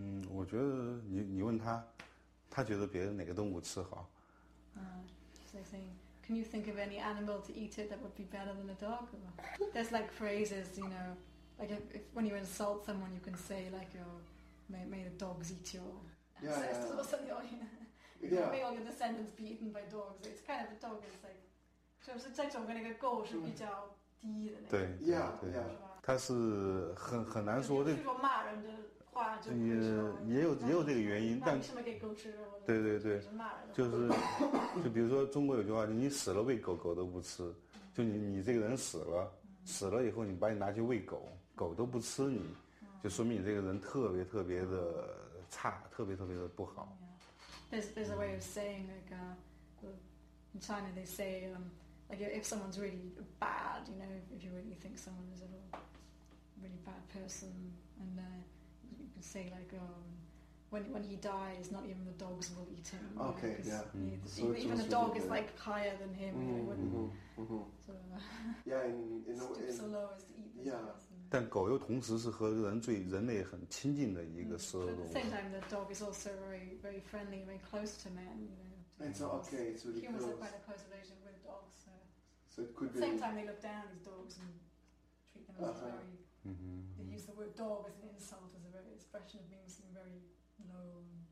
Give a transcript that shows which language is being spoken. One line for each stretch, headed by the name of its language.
Chinese: 我觉得你问他，他觉得别的哪个动物吃好。
English: Can you think of any animal to eat it that would be better than a dog? There's like phrases, you know. Like if when you insult someone, you can say like, may the dogs eat your ancestors or something. May all your descendants be eaten by dogs. It's kind of a dog. It's like,
Chinese: 是不是这种那个狗是比较低的那个？对
English: ，Yeah，
Chinese: 对，它是很难说的。说骂人的话就是。也有这个原因，但什么给狗吃？对对对，骂人就是，就比如说中国有句话，你死了喂狗，狗都不吃。就你这个人死了。死了以后，你把你拿去喂狗，狗都不吃你，就说明你这个人特别特别的差，特别特别的不好。
English: Yeah. There's a way of saying like, in China they say like if someone's really bad, you know, if you really think someone is a really bad person, and you can say like, when he dies, not even the dogs will eat him. Okay, you know, yeah. Even the dog is like higher than him. Mm-hmm. So, yeah, in so low as to eat this person.
Chinese: 但狗又同时是和人最人类很亲近的一个所有动物。
English: At the same time, the dog is also very, very friendly, very close to man. It's okay. It's really close. Humans have quite a close relationship with dogs. So it could be. At the same time, they look down at dogs and treat them as very. They use the word dog as an insult, as a very expression of being seen very low.